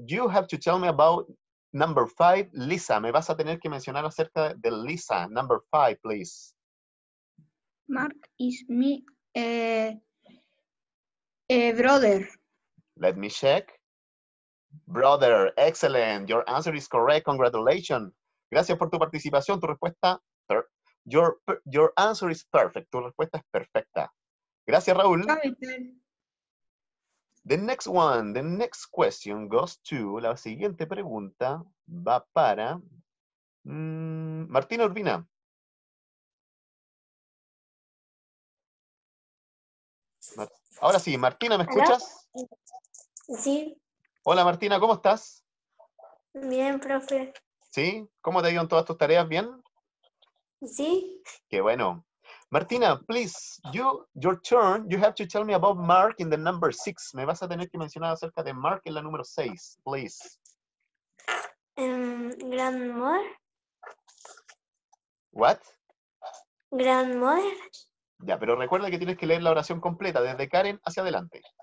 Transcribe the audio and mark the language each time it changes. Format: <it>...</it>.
<en>You have to tell me about number five, Lisa.</en> <es>Me vas a tener que mencionar acerca de Lisa.</es> <en>Number five, please. Mark is my brother. Let me check. Brother, excellent. Your answer is correct. Congratulations.</en> <es>Gracias por tu participación. Tu respuesta,</es> <en>your answer is perfect.</en> <es>Tu respuesta es perfecta. Gracias, Raúl.</es> <en>The next one, the next question goes to,</en> <es>la siguiente pregunta va para Martina Urbina. Ahora sí, Martina, ¿me escuchas? Sí. Hola, Martina, ¿cómo estás? Bien, profe. ¿Sí? ¿Cómo te ha ido en todas tus tareas? ¿Bien? Sí. Qué bueno.</es> <en>Martina, please, you, your turn, you have to tell me about Mark in the number six.</en> <es>Me vas a tener que mencionar acerca de Mark en la número seis, please.</es> <en>Grandmother. What? Grandmother.</en> <es>Ya, pero recuerda que tienes que leer la oración completa, desde Karen hacia adelante.</es>